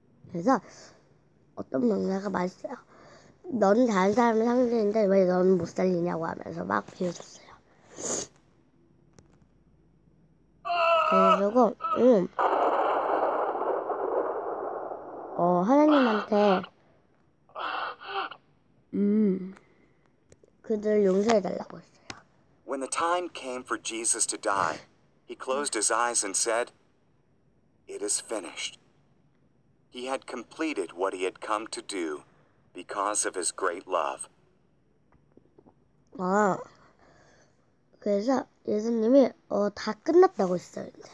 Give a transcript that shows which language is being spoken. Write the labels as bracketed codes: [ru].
[ko] 그래서 어떤 명사가 말했어요. 넌 다른 사람을 살리는데 왜 넌 못 살리냐고 하면서 막 비웃었어요. 그리고 하나님한테 그들 용서해 달라고 했어요. [en] When the time came for Jesus to die, he closed his eyes and said, "It is finished." He had completed what he had come to do because of his great love. [ko] 그래서 예수님이 다 끝났다고 했어요.